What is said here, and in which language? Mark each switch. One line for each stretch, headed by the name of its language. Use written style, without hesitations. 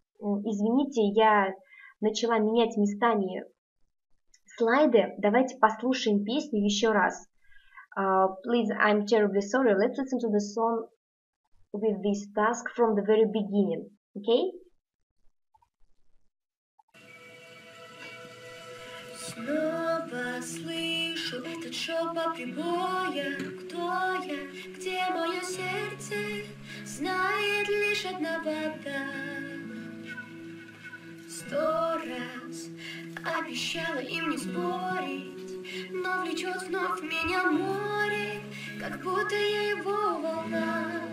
Russian: Извините, я начала менять местами слайды. Давайте послушаем песню еще раз.
English: Please, I'm terribly sorry. Let's listen to the song with this task from the very beginning. Okay?
Russian: Снова слышу этот шёпот прибоя. Кто я? Где моё сердце? Знает лишь одна вода. Сто раз обещала им не спорить, но влечёт вновь меня море, как будто я его волна.